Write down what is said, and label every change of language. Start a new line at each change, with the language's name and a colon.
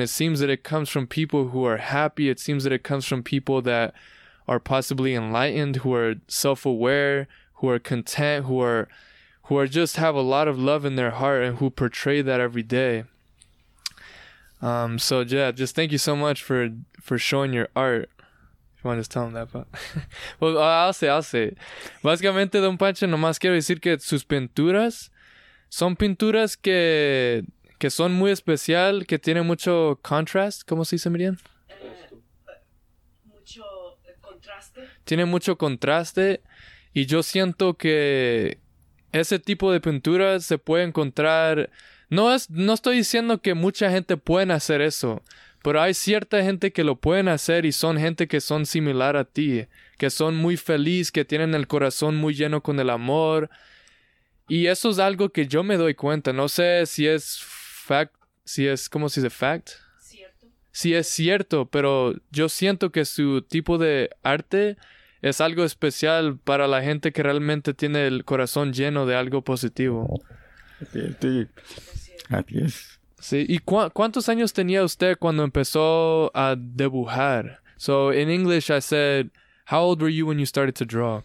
English: And it seems that it comes from people who are happy. It seems that it comes from people that are possibly enlightened, who are self-aware, who are content, who are just have a lot of love in their heart, and who portray that every day. So yeah, just thank you so much for showing your art. If you want to just tell them that, but well, I'll say.
Spanish: Básicamente, Don Pancho, nomás quiero decir que sus pinturas son pinturas que son muy especial, que tienen mucho contrast. ¿Cómo se dice, Miriam? Mucho contraste. Tiene mucho contraste. Y yo siento que ese tipo de pinturas se puede encontrar. No estoy diciendo que mucha gente pueda hacer eso, pero hay cierta gente que lo pueden hacer, y son gente que son similar a ti, que son muy feliz, que tienen el corazón muy lleno con el amor. Y eso es algo que yo me doy cuenta. No sé si es fact, si es, ¿cómo se dice?
English: Fact.
Spanish: Cierto. Si es cierto, pero yo siento que su tipo de arte es algo especial para la gente que realmente tiene el corazón lleno de algo positivo. Sí. Así es. Sí. ¿Y cuántos años tenía usted cuando empezó a dibujar?
English: So, in English, I said, how old were you when you started to draw?